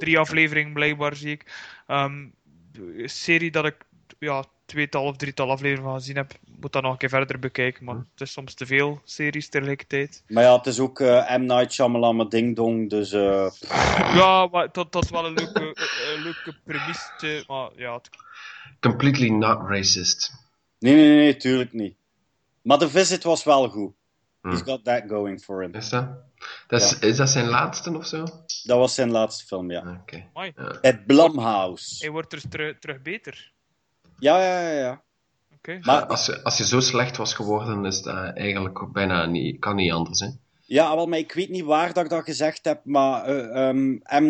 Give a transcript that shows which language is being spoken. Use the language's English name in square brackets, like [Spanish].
[Dutch] drie afleveringen blijkbaar zie ik. Serie dat ik ja, tweetal of drietal afleveringen van gezien heb, moet dat nog een keer verder bekijken, maar het is soms te veel series tegelijkertijd. Maar ja, het is ook M. Night Shyamalan Ding Dong, dus. Ja, maar dat is wel een leuke premisse, maar ja. [English] Completely not racist. [Dutch] Nee, tuurlijk niet. Maar The Visit was wel goed. [English] He's got that going for him. [Dutch] Is dat? Ja. Is dat zijn laatste of zo? Dat was zijn laatste film, ja. Oké. Mooi. Het Blumhouse. Hij wordt dus terug beter. Ja. Oké. Ja, als je zo slecht was geworden, is dat eigenlijk bijna niet, kan niet anders, hè? Ja, wel, maar ik weet niet waar dat ik dat gezegd heb, maar M.